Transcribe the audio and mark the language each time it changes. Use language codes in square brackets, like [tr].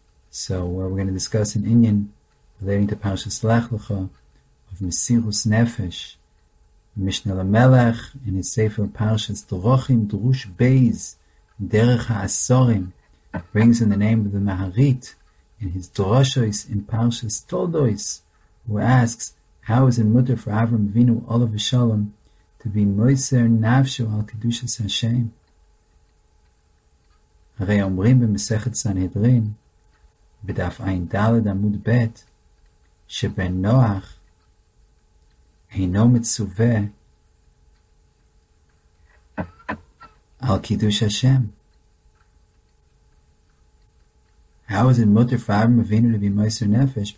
[en] So where we're going to discuss an inyan relating to Parshas Lech Lecha of Mesirus Nefesh, Mishneh LeMelech in his Sefer Parshas Drochim Drush Beis Derech HaAsorim brings in the name of the Maharit in his Droshois in Parshas Toldois, who asks, how is it mutter for Avram Avinu Olav Shalom to be [he] Moiser Nafsho Al Kedushas Hashem? Hare Omrim B'Mesechet Sanhedrin בדף עין דלת עמוד ב' שבן נוח אינו מצווה על קידוש השם. [en] How is it mutter for Avram Avinu to be moiser nefesh?